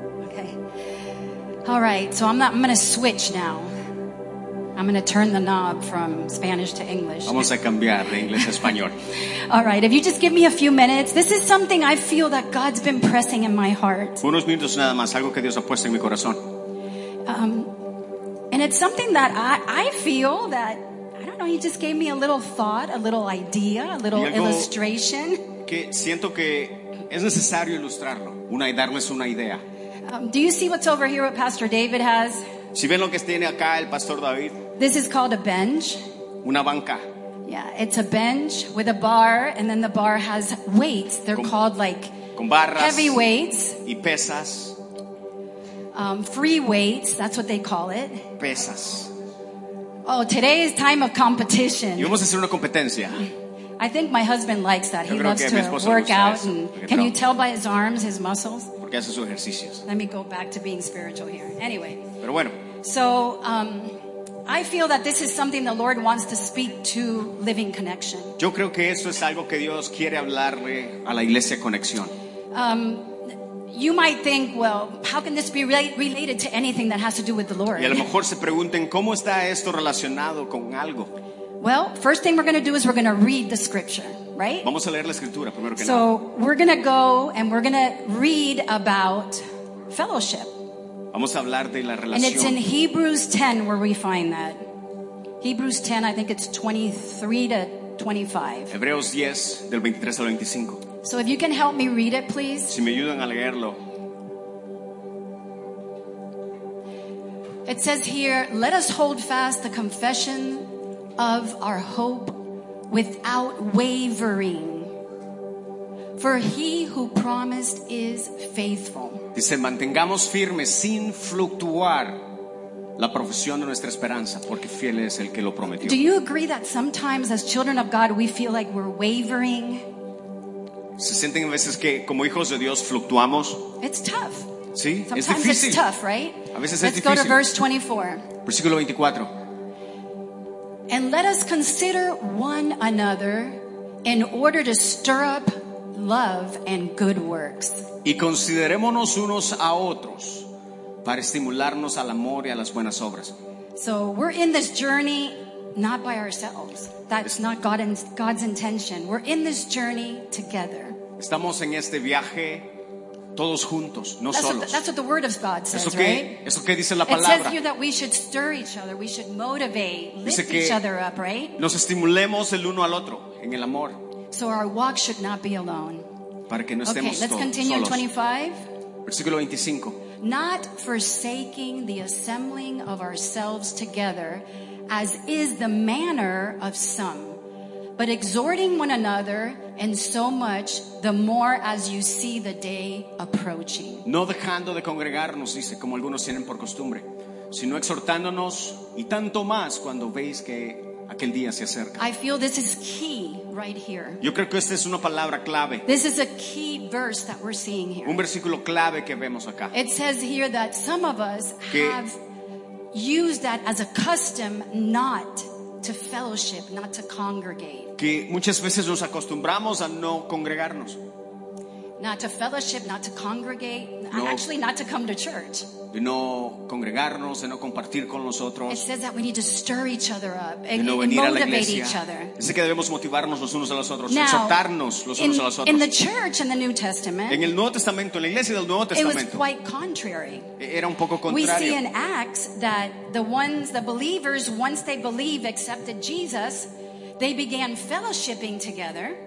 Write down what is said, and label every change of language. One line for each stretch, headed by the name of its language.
English: Okay. All right, so I'm going to switch now. I'm going to turn the knob from Spanish to English.
Spanish: Vamos a cambiar de inglés a español.
English: All right, if you just give me a few minutes, this is something I feel that God's been pressing in my heart.
Spanish: Unos minutos nada más, algo que Dios ha puesto en mi corazón.
English: And it's something that I feel that, I don't know, he just gave me a little thought, a little idea, a little illustration.
Spanish: Que siento que es necesario ilustrarlo, una, darles una idea.
English: Do you see what's over here, what Pastor David has?
Spanish: Si ven lo que tiene acá el Pastor David.
English: This is called a bench.
Spanish: Una banca.
English: Yeah, it's a bench with a bar, and then the bar has weights. They're
Spanish: con,
English: called like
Spanish: con barras
English: heavy weights.
Spanish: Y pesas.
English: Free weights, that's what they call it.
Spanish: Pesas.
English: Oh, today is time of competition.
Spanish: Y vamos a hacer una competencia.
English: I think my husband likes that. He loves to work out. And can you tell by his arms, his muscles?
Spanish: Porque hace sus ejercicios.
English: Let me go back to being spiritual here. Anyway.
Spanish: Pero bueno.
English: So, I feel that this is something the Lord wants to speak to Living Connection.
Spanish: Yo creo que eso es algo que Dios quiere hablarle a la iglesia Conexión.
English: You might think, well, how can this be related to anything that has to do with the Lord?
Spanish: Y a lo mejor se pregunten, ¿cómo está esto relacionado con algo?
English: Well, first thing we're going to do is we're going to read the scripture, right?
Spanish: Vamos a leer la escritura, primero que
English: so
Spanish: nada.
English: We're going to go and we're going to read about fellowship.
Spanish: Vamos a hablar de la relación.
English: And it's in Hebrews 10 where we find that. Hebrews 10, I think it's 23 to 25.
Spanish: Hebreos 10, del 23 al 25.
English: So if you can help me read it, please.
Spanish: Si me ayudan a leerlo.
English: It says here, let us hold fast the confession of our hope without wavering. For he who promised is faithful.
Spanish: Dice, mantengamos firmes sin fluctuar la profesión de nuestra esperanza, porque fiel es el que lo prometió.
English: Do you agree that sometimes as children of God we feel like we're wavering?
Spanish: ¿Se sienten a veces que como hijos de Dios fluctuamos?
English: It's tough.
Spanish: Sí,
English: sometimes
Spanish: es difícil.
English: Sometimes it's tough, right?
Spanish: A veces
English: Let's
Spanish: es difícil.
English: Go to verse 24.
Spanish: Versículo 24.
English: And let us consider one another in order to stir up love and good works.
Spanish: Y considerémonos unos a otros para estimularnos al amor y a las buenas obras.
English: So we're in this journey not by ourselves. That's not God's intention. We're in this journey together.
Spanish: Estamos en este viaje todos juntos, no
English: that's
Spanish: solos.
English: That's what the word of God says,
Spanish: eso que,
English: right?
Spanish: Eso que dice la palabra.
English: It says here that we should stir each other, we should motivate, lift each other up, right?
Spanish: Nos estimulemos el uno al otro en el amor.
English: So our walk should not be alone.
Spanish: Para que no estemos solos.
English: Okay, let's continue in 25.
Spanish: Versículo 25.
English: Not forsaking the assembling of ourselves together, as is the manner of some, but exhorting one another, and so much the more as you see the day approaching.
Spanish: No dejando de congregarnos, dice, como algunos tienen por costumbre, sino exhortándonos, y tanto más cuando veis que aquel día se acerca.
English: I feel this is key right here.
Spanish: Yo creo que esta es una palabra clave.
English: This is a key verse that we're seeing here.
Spanish: Un versículo clave que vemos acá.
English: It says here that some of us have used that as a custom not to fellowship, not to congregate.
Spanish: Que muchas veces nos acostumbramos a no congregarnos.
English: Not to fellowship, not to congregate, no, actually not to come to church.
Spanish: De no congregarnos, de no compartir con los otros.
English: It says that we need to stir each other up and
Spanish: no
English: motivate each other.
Spanish: Dice que debemos motivarnos los unos a los otros,
English: now,
Spanish: exhortarnos los unos a los otros.
English: In the church in the New Testament,
Spanish: en el Nuevo Testamento, en la iglesia del Nuevo Testamento,
English: it was quite contrary.
Spanish: Era un poco contrario.
English: We see in Acts that the believers, once they believe, accepted Jesus, they began fellowshipping together.